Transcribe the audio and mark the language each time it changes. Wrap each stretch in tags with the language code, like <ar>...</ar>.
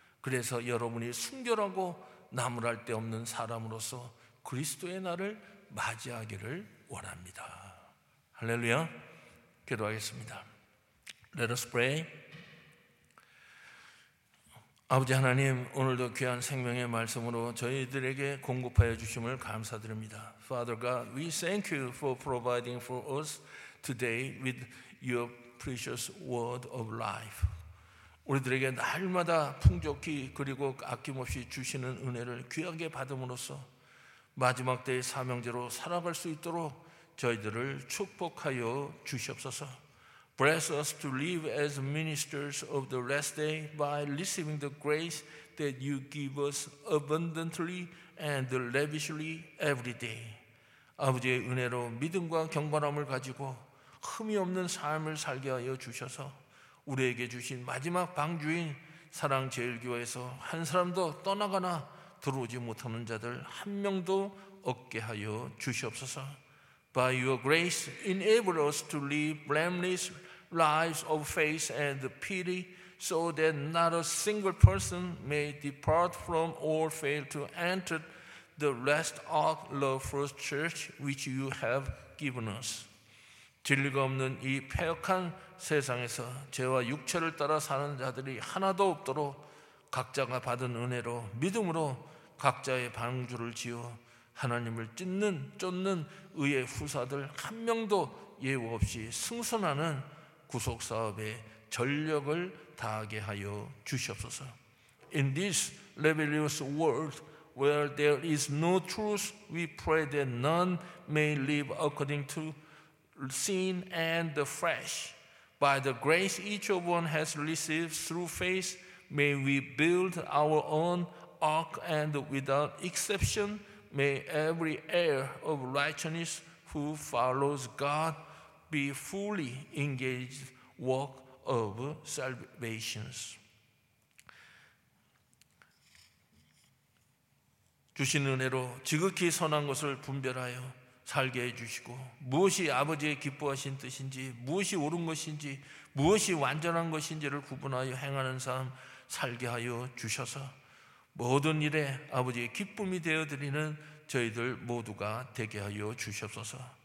<ko>그래서 여러분이 순결하고 나무랄 데 없는 사람으로서 그리스도의 날을 맞이하기를 원합니다. 할렐루야. 기도하겠습니다.</ko> <en>Let us pray.</en> <ko>아버지 하나님, 오늘도 귀한 생명의 말씀으로 저희들에게 공급하여 주심을 감사드립니다.</ko> <en>Father God, we thank you for providing for us today with your precious word of life.</en> <ko>우리들에게 날마다 풍족히 그리고 아낌없이 주시는 은혜를 귀하게 받음으로써 마지막 때의 사명제로 살아갈 수 있도록 저희들을 축복하여 주시옵소서.</ko> <en>Bless us to live as ministers of the last day by receiving the grace that you give us abundantly and lavishly every day.</en> <ko>아버지의 은혜로 믿음과 경건함을 가지고 흠이 없는 삶을 살게 하여 주셔서 우리에게 주신 마지막 방주인 사랑 제일교회에서 한 사람도 떠나거나 들어오지 못하는 자들 한 명도 없게 하여 주시옵소서.</ko> <en>By your grace, enable us to live blameless lives of faith and piety, so that not a single person may depart from or fail to enter the rest of the first church which you have given us. 진리가 없는 이 패역한 세상에서 죄와 육체를 따라 사는 자들이 하나도 없도록 각자가 받은 은혜로 믿음으로 각자의 방주를 지어 하나님을 쫓는 의의 후사들 한 명도 예외 없이 승선하는 구속사업에 전력을 다하게 하여 주시옵소서. In this rebellious world where there is no truth, we pray that none may live according to sin and the flesh. By the grace each of one has received through faith, may we build our own ark, and without exception, may every heir of righteousness who follows God be fully engaged work of salvation.</en> <ko>주신 은혜로 지극히 선한 것을 분별하여 살게 해주시고 무엇이 아버지의 기뻐하신 뜻인지 무엇이 옳은 것인지 무엇이 완전한 것인지를 구분하여 행하는 삶 살게 하여 주셔서 모든 일에 아버지의 기쁨이 되어드리는 저희들 모두가 되게 하여 주시옵소서.</ko>